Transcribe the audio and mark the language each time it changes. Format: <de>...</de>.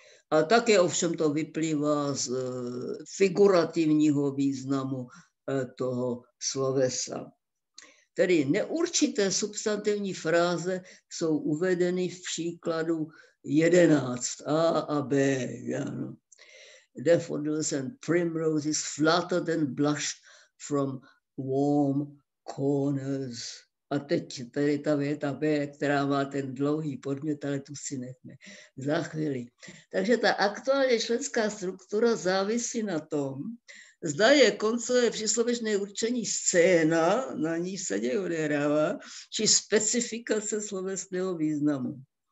<cs>A také ovšem to vyplývá z figurativního významu toho slovesa. Tedy neurčité substantivní fráze jsou uvedeny v příkladu 11 A a B. Ano.</cs> <en>Daffodils and primroses fluttered and blushed from warm corners.</en> <cs>A teď tady ta věta B, která má ten dlouhý podmět, ale tu si nechme za chvíli. Takže ta aktuálně členská struktura závisí na tom, zda je koncové příslovečné určení scéna, na ní se děje odehrává, či specifikace slovesného významu.</cs>